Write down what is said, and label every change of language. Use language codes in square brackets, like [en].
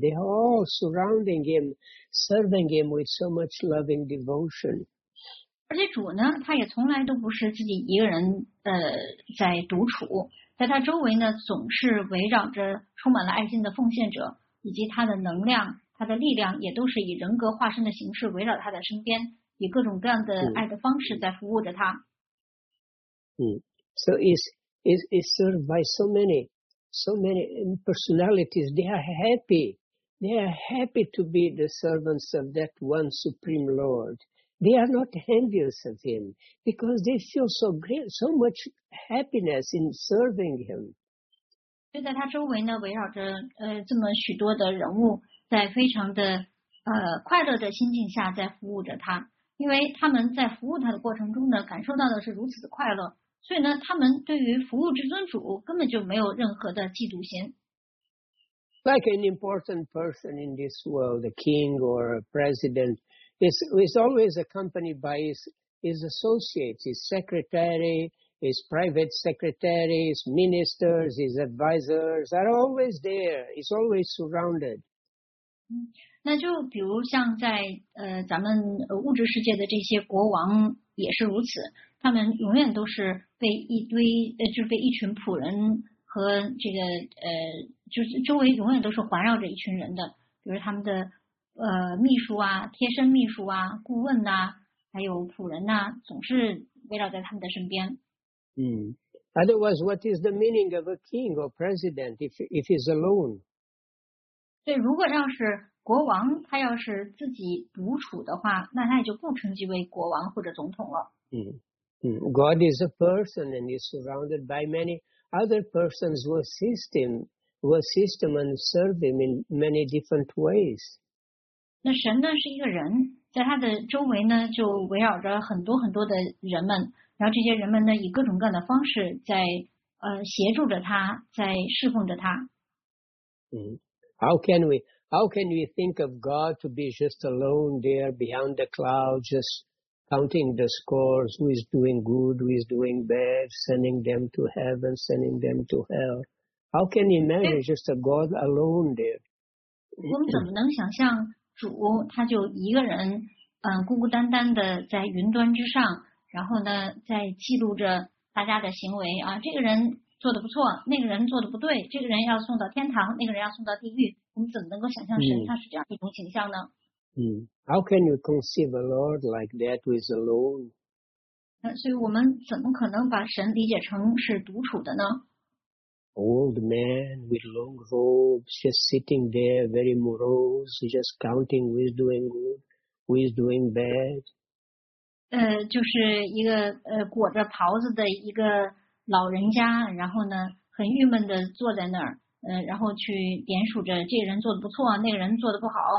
[en] They are all surrounding him, serving him with so much loving devotion. [zh] 而且主呢，他也从来都不是自己一个人在独处。在他周围呢，总是围绕着充满了爱心的奉献者，以及他的能量、他的力量，也都是以人格化身的形式围绕他的身边，以各种各样的爱的方式在服务着他。 [en] So is served by so many personalities. They are happy. They are happy to be the servants of that one supreme Lord. They are not envious of him because they feel so great, so much happiness in serving him. [zh] 就在他周围呢，围绕着这么许多的人物，在非常的快乐的心境下在服务着他，因为他们在服务他的过程中呢，感受到的是如此的快乐，所以呢，他们对于服务至尊主根本就没有任何的嫉妒心。 [en] Like an important person in this world, a king or a president, is always accompanied by his associates, his secretary, his private secretaries, ministers, his advisors are always there. He's always surrounded. [zh] 那就比如像在咱们物质世界的这些国王也是如此，他们永远都是被一堆就是被一群仆人和这个就是周围永远都是环绕着一群人的，比如他们的秘书啊，贴身秘书啊，顾问呐、还有仆人呐、总是围绕在他们的身边。 [en] Otherwise, what is the meaning of a king or president if he's alone? [zh] 对，如果要是国王他要是自己独处的话，那他也就不称之为国王或者总统了。 [en] God is a person and is surrounded by many other persons who assist him and serve him in many different ways. [zh] 那神呢是一个人，在他的周围呢就围绕着很多很多的人们，然后这些人们呢以各种各样的方式在协助着他，在侍奉着他。 [en] How can we think of God to be just alone there beyond the clouds, just counting the scores, who is doing good, who is doing bad, sending them to heaven, sending them to hell? How can you imagine just a God alone there? [zh] 我们怎么能想象主他就一个人孤孤单单的在云端之上，然后呢在记录着大家的行为啊，这个人做的不错，那个人做的不对，这个人要送到天堂，那个人要送到地狱，我们怎么能够想象神他是这样一种形象呢？ [en] How can you conceive a Lord like that who is alone? [zh] 所以我们怎么可能把神理解成是独处的呢？ [en] old man with long robes, just sitting there, very morose, just counting who is doing good, who is doing bad. [zh] 就是一个裹着袍子的一个老人家，然后呢，很郁闷的坐在那儿，然后去点数着这人做的不错，那个人做的不好。